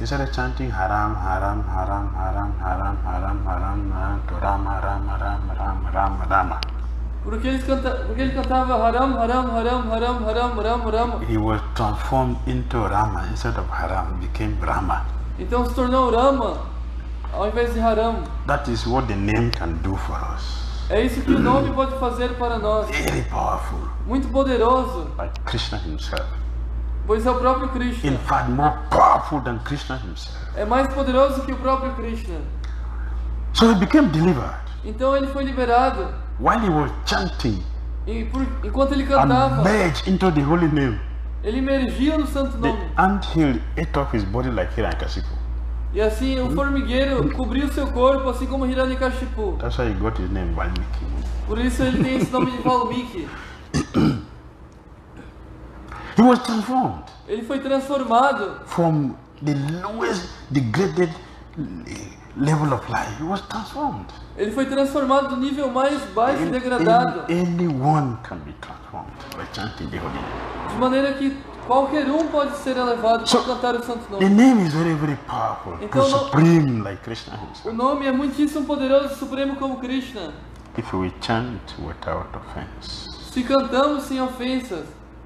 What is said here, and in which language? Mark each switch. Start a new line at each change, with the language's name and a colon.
English: He started chanting haram, haram, haram, haram, haram, haram, haram, haram, haram, haram, haram, haram, haram, haram,
Portuguese: porque ele cantava haram, haram, haram, haram, haram, haram, haram.
English: He was transformed into Rama instead of haram, became Brahma.
Portuguese: Então se tornou Rama ao invés de haram.
English: That is what the name can do for us.
Portuguese: É isso que o nome pode fazer para nós.
English: Very powerful.
Portuguese: Muito poderoso.
English: Like Krishna himself.
Portuguese: Pois é o próprio Krishna.
English: In fact, more powerful than Krishna himself.
Portuguese: É mais poderoso que o próprio Krishna.
English: So he became delivered.
Portuguese: Então ele foi liberado.
English: While he was chanting.
Portuguese: Enquanto ele cantava.
English: And merged into the holy name.
Portuguese: Ele emergia no santo nome.
English: The anthill ate off his body like Hiranyakashipu.
Portuguese: E assim o formigueiro cobriu seu corpo assim como Hiranyakashipu.
English: That's why he got his name Valmiki.
Portuguese: Por isso ele tem esse nome de Valmiki.
English: He was transformed.
Portuguese: Ele foi transformado.
English: From the lowest degraded level of life, he was transformed.
Portuguese: Ele foi transformado do nível mais baixo e degradado.
English: Anyone can be transformed by chanting the holy name.
Portuguese: De maneira que qualquer um pode ser elevado por cantar o santo nome.
English: The name is very, very powerful,
Portuguese: então,
English: supreme like Krishna himself.
Portuguese: O nome é muitíssimo poderoso, supremo como Krishna.
English: If we chant without offense.
Portuguese: Se cantamos sem ofensas.